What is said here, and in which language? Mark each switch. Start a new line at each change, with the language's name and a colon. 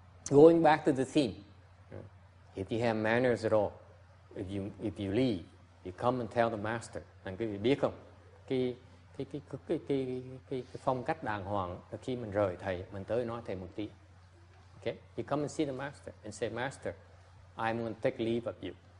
English: Going back to the theme. If you have manners at all, if you leave, you come and tell the master.
Vietnamese: Anh quý vị biết không? Cái phong cách đàng hoàng là khi mình rời thầy, mình tới nói thầy một tí.
English: Okay, you come and see the master and say, Master, I'm going to take leave of you.